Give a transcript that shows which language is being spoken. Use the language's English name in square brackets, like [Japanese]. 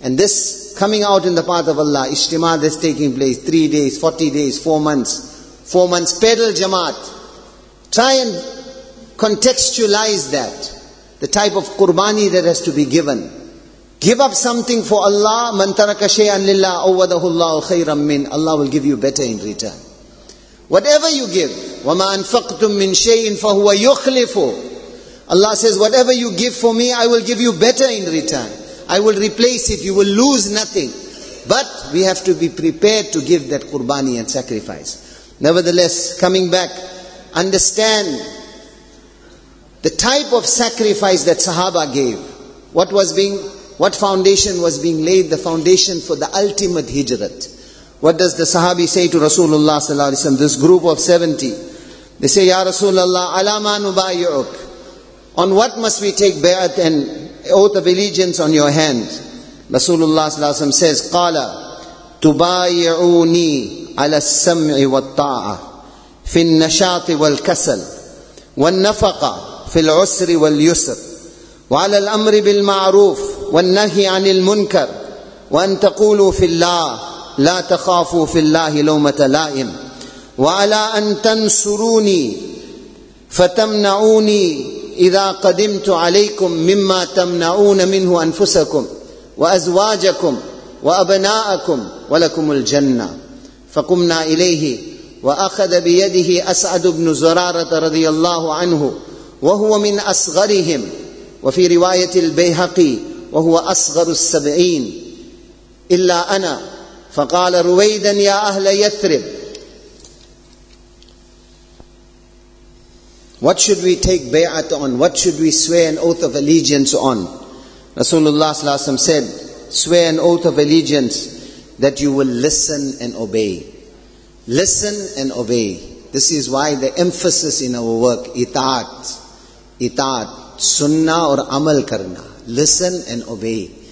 [English] And this coming out in the path of Allah, ijtima that's taking place, 3 days, 40 days, 4 months, 4 months, pedal jamaat. Try and contextualize that. The type of qurbani that has to be given. Give up something for Allah. [Arabic] مَنْ تَرَكَ شَيْئًا لِلَّهِ أَوَّدَهُ اللَّهُ خَيْرًا مِنْ. [English] Allah will give you better in return. Whatever you give, [Arabic] وَمَا أَنْفَقْتُمْ مِنْ شَيْءٍ فَهُوَ يُخْلِفُ. [English] Allah says, whatever you give for me, I will give you better in return. I will replace it. You will lose nothing. But we have to be prepared to give that qurbani and sacrifice. Nevertheless, coming back, understand the type of sacrifice that Sahaba gave. What foundation was being laid? The foundation for the ultimate Hijrat. What does the Sahabi say to Rasulullah sallallahu alaihi wasallam? This group of 70, they say, [Arabic] Ya Rasulullah, ala ma nubayyuk? [English] On what must we take bayat and oath of allegiance on your hand? [Arabic] Rasulullah sallallahu alaihi wasallam says, Qala tubayyuni عَلَى السَّمْعِ وَالطَّاعَةِ فِي النَّشَاطِ وَالْكَسَلِ وَالنَّفَقَ فِي الْعُسْرِ وَالْيُسْرِ وَعَلَى الْأَمْرِ بِالْمَعْرُوفِ وَالنَّهِي عَنِ الْمُنْكَرِ وَأَنْ تَقُولُوا فِي اللَّهِ لَا تَخَافُوا فِي اللَّهِ لَوْمَةَ لَائِمٍ وَعَلَى أَنْ تَنْصُرُونِي فَتَمْنَعُونِي إِذَا قَدِمْتُ عَلَيْكُمْ مِمَّا تَمْنَعُونَ مِنْهُ أَنْفُسَكُمْ وَأَزْوَاجَكُمْ وَأَبْنَاءَكُمْ وَلَكُمْ الْجَنَّةُ فقمنا إليه وأخذ بيده أسعد بن زرارة رضي الله عنه وهو من أصغرهم وفي رواية البيهقي وهو أصغر السبعين إلا أنا، فقال رويدا يا أهل يثرب. [English] What should we take bay'at on? What should we swear an oath of allegiance on? Rasulullah صلى الله عليه وسلم said, swear an oath of allegiance that you will listen and obey. Listen and obey. This is why the emphasis in our work, itaat, itaat, [Urdu] sunnah aur amal karna, [English] listen and obey.